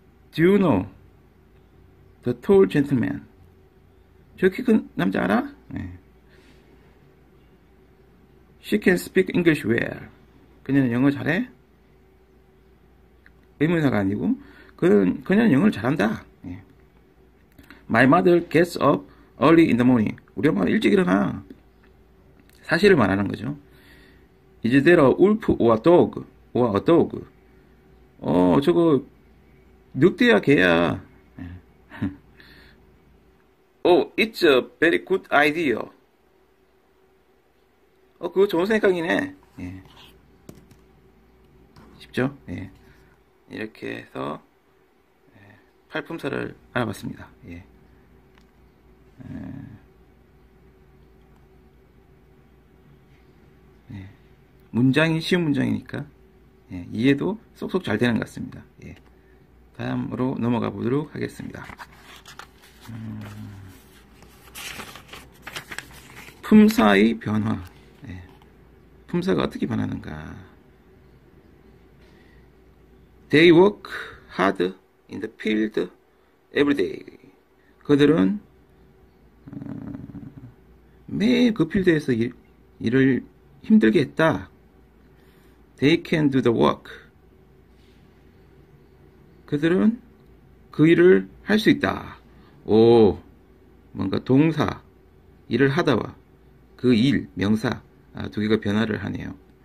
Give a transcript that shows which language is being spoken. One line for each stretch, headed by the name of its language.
English: Do you know the tall gentleman?
Korean: 저키큰 남자 알아?
English: She can speak English well.
Korean: 그녀는 영어 잘해? 의문사가 아니고, 그녀는 영어를 잘한다.
English: My mother gets up early in the morning.
Korean: 우리 엄마는 일찍 일어나. 사실을 말하는 거죠.
English: Is there a wolf or a dog? Or a dog?
Korean: 저거, 늑대야, 개야.
English: Oh, it's a very good idea.
Korean: 그거 좋은 생각이네. 쉽죠? 이렇게 해서 팔품서를 알아봤습니다. 문장이 쉬운 문장이니까 이해도 쏙쏙 잘 되는 것 같습니다. 다음으로 넘어가 보도록 하겠습니다. 품사의 변화. 품사가 어떻게 변하는가?
English: They work hard in the field every day.
Korean: 그들은 매일 그 필드에서 일을 힘들게 했다.
English: They can do the work.
Korean: 그들은 그 일을 할수 있다. 오, 뭔가 동사, 일을 하다와 그 일, 명사, 두 개가 변화를 하네요.